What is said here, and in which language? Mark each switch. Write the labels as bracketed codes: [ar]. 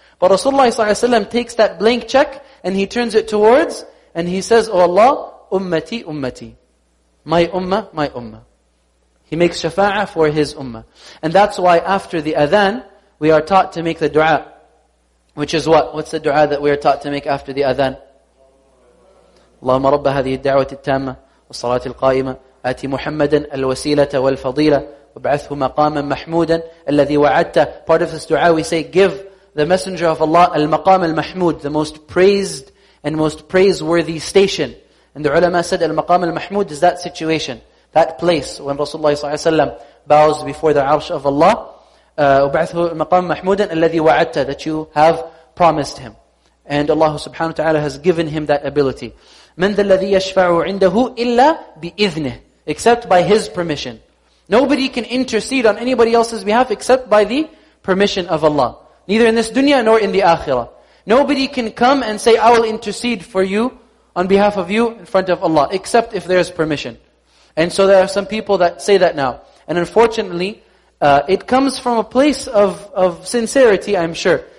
[en] But Rasulullah ﷺ takes that blank check and he turns it towards and he says, oh Allah, ummati, ummati. My ummah, my ummah. He makes shafa'ah for his ummah. And that's why after the adhan, we are taught to make the dua. Which is what? What's the dua that we are taught to make after the adhan? [ar] Allahumma rabba hadhihi ad-da'wati at-tamma wa salati al-qa'imah. آتي محمدا الوسيلة والفضيلة وابعثه مقاما محمودا الذي وعدت. [en] Part of this dua we say, give the messenger of Allah المقام المحمود, the most praised and most praiseworthy station. And the ulama said المقام المحمود is that situation, that place when Rasulullah صلى الله عليه وسلم bows before the arsh of Allah. [ar] وابعثه مقاما محمودا الذي وعدت, [en] that you have promised him. And Allah subhanahu wa ta'ala has given him that ability. [ar] مَنْ ذَا الَّذِي يَشْفَعُ عِنْدَهُ إِلَّا بِإِذْنِهِ, [en] except by his permission. Nobody can intercede on anybody else's behalf except by the permission of Allah. Neither in this dunya nor in the akhirah. Nobody can come and say, I will intercede for you on behalf of you in front of Allah, except if there is permission. And so there are some people that say that now. And unfortunately, it comes from a place of sincerity, I'm sure.